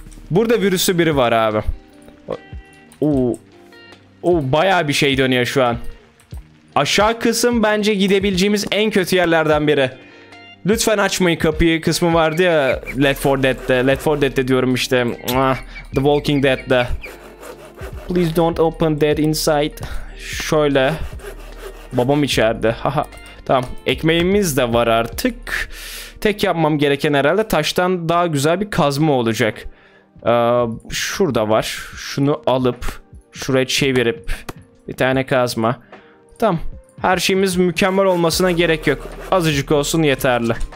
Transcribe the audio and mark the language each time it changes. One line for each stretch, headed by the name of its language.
Turkish: Burada virüsü biri var abi. Bayağı bir şey dönüyor şu an. Aşağı kısım bence gidebileceğimiz en kötü yerlerden biri. Lütfen açmayın kapıyı kısmı vardı ya Left 4 Dead'de. Left 4 Dead'de diyorum işte. The Walking Dead'de.
English: Please don't open that inside.
Turkish: Şöyle. Babam içeride. Haha. Tamam, ekmeğimiz de var artık. Tek yapmam gereken herhalde taştan daha güzel bir kazma olacak. Şurada var. Şunu alıp şuraya çevirip bir tane kazma. Tamam, her şeyimiz mükemmel olmasına gerek yok. Azıcık olsun yeterli.